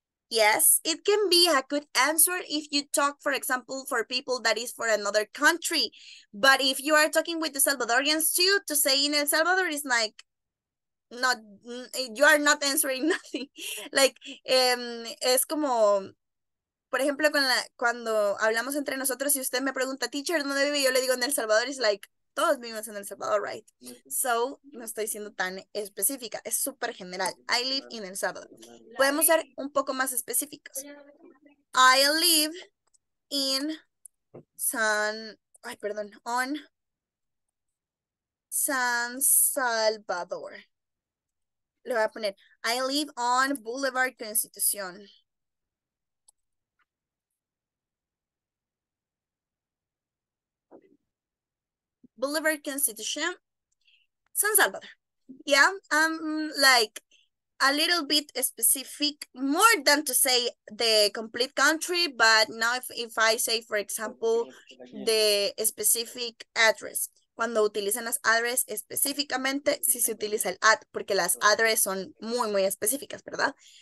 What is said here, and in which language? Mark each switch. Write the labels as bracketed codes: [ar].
[en] Yes, it can be a good answer if you talk, for example, for people that is for another country. But if you are talking with the Salvadorians too, to say in El Salvador is like, not, you are not answering nothing. [es] Like, es como, por ejemplo, cuando hablamos entre nosotros y si usted me pregunta, teacher, ¿dónde vive? Yo le digo en El Salvador, es like, todos vivimos en El Salvador, right? So, no estoy siendo tan específica, es súper general. [en] I live in El Salvador. [es] Podemos ser un poco más específicos. [en] I live in San, [es] ay, perdón, [en] on San Salvador. [es] Le voy a poner, [en] I live on Boulevard Constitución. Boulevard Constitution, San Salvador. Yeah, I'm like a little bit specific, more than to say the complete country, but now if I say, for example, the specific address. [es] Cuando utilizan las address específicamente, sí se utiliza el at, porque las address son muy, muy específicas, ¿verdad?